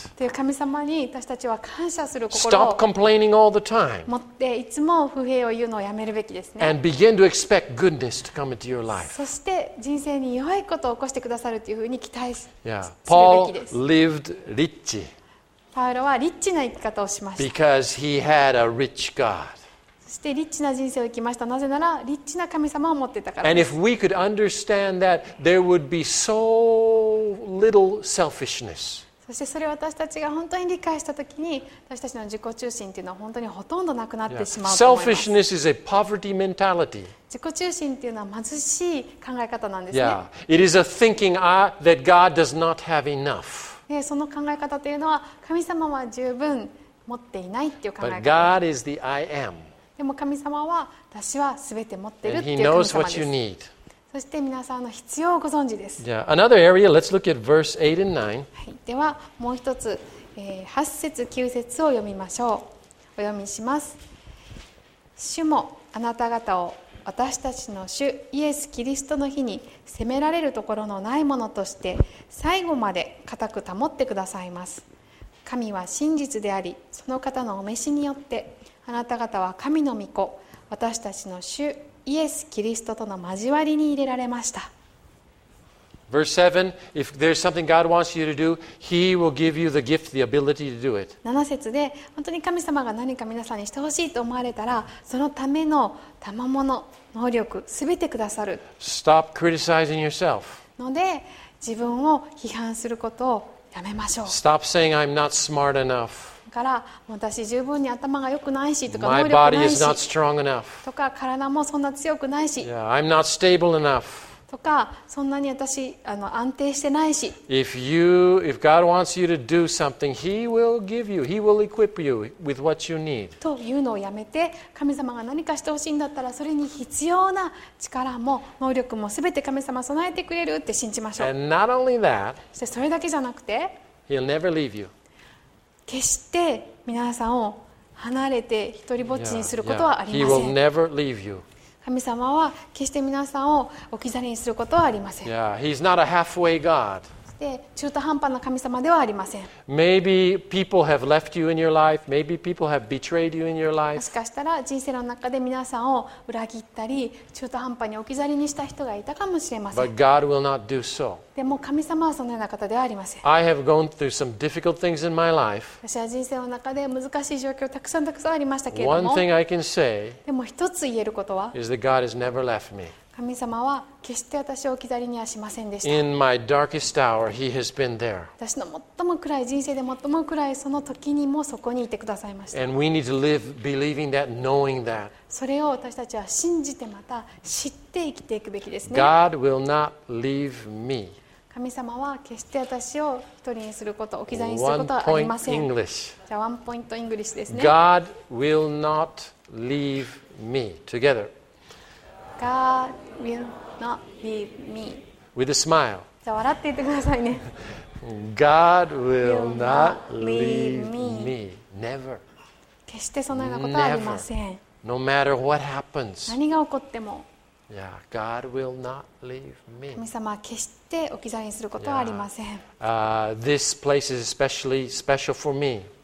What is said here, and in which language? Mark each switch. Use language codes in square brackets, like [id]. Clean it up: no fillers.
[ja] という神様に私たちは感謝する心を。 [en] Stop complaining all the time. [ja] 持っていつも不平を言うのをやめるべきですね。 [en] And begin to expect goodness to come into your life. [ja] そして人生に良いことを起こしてくださるというふうに期待するべきです。 [en] Yeah. Paul lived rich. [ja] パウロはリッチな生き方をしました。 [en] Because he had a rich God. [ja] そしてリッチな人生を生きました。なぜならリッチな神様を持ってたからです。 [en] And if we could understand that, there would be so little selfishness. [ja] そしてそれを私たちが本当に理解したときに、私たちの自己中心というのは本当にほとんどなくなってしまうと思います。 [en] Selfishness is a poverty mentality. [ja] 自己中心というのは貧しい考え方なんですね。 [en] Yeah. It is a thinking that God does not have enough. [ja] その考え方というのは、神様は十分持っていないという考え方。 [en] But God is the I am. [ja] でも神様は、私はすべて持っているという神様です。 [en] And He knows what you need. [ja] そして皆さんの必要をご存知です。 [en] Yeah. Another area, let's look at verse 8 and 9. [ja] ではもう一つ、8節9節を読みましょう。お読みします。主もあなた方を私たちの主イエス・キリストの日に責められるところのないものとして最後まで固く保ってくださいます。神は真実であり、その方のお召しによってあなた方は神の御子私たちの主イエス・キリストとの交わりに入れられました。 [en] Verse 7, if there's something God wants you to do, He will give you the gift, the ability to do it. [ja] 7節で、本当に神様が何か皆さんにしてほしいと思われたら、そのための賜物、能力、すべてくださる。 [en] Stop criticizing yourself. [ja] ので、自分を批判することをやめましょう。 [en] Stop saying I'm not smart enough. [ja] から私十分に頭が良くないしとか能力ないしとか体もそんな強くないし。 [en] Yeah, I'm not stable enough. [ja] とかそんなに私安定してないし。 [en] If God wants you to do something, He will give you, He will equip you with what you need. [ja] というのをやめて、神様が何かしてほしいんだったら、それに必要な力も能力もすべて神様備えてくれるって信じましょう。 [en] And not only that, [ja] そしてそれだけじゃなくて、 [en] He'll never leave you. [ja] 決して皆さんを離れて一人ぼっちにすることはありません。 [en] He will never leave you. [ja] 神様は決して皆さんを置き去りにすることはありません。 [en] Yeah, he's not a halfway God. [ja] そして中途半端な神様ではありません。 [en] Maybe people have left you in your life. Maybe people have betrayed you in your life. [ja] もしかしたら人生の中で皆さんを裏切ったり、中途半端に置き去りにした人がいたかもしれません。 [en] But God will not do so. [ja] でも神様はそのような方ではありません。 [en] I have gone through some difficult things in my life. [ja] 私は人生の中で難しい状況をたくさんありましたけれども、 [en] One thing I can say, [ja] でも一つ言えることは、 [en] is that God has never left me. [ja] 神様は決して私を置き去りにはしませんでした。 [en] In my darkest hour, He has been there. [ja] 私の最も暗い人生で最も暗いその時にもそこにいてくださいました。 [en] And we need to live believing that, knowing that. [ja] それを私たちは信じてまた知って生きていくべきですね。 [en] God will not leave me. [ja] 神様は決して私を一人にすること、置き去りにすることはありません。じゃあワンポイントイングリッシュですね。 [en] God will not leave me. Together. God will not leave me. With a smile. [ja] じゃあ笑って言ってくださいね。 [en] God will not leave me. Never. [ja] 決してそのようなことはありません。 [en] No matter what happens. [ja] 何が起こっても。 [en] Yeah, God will not leave me. [ja] 神様は決して置き去りにすることはありません。 [en] This place is especially special for me.